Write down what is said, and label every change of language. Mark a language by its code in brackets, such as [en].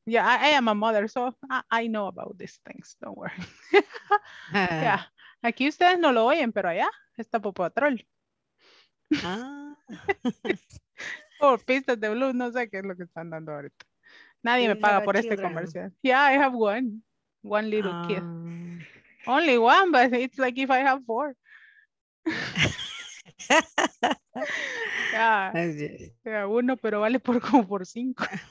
[en] Yeah, I am a mother, so I know about these things, don't worry. [es] Yeah, aquí ustedes no lo oyen, pero allá está Popo Troll. Por pistas de blues, no sé qué es lo que están dando ahorita. Nadie me paga por este comercial. [en] Yeah, I have one little kid. Only one, but it's like if I have four. [es] Yeah, uno, pero vale por como por cinco.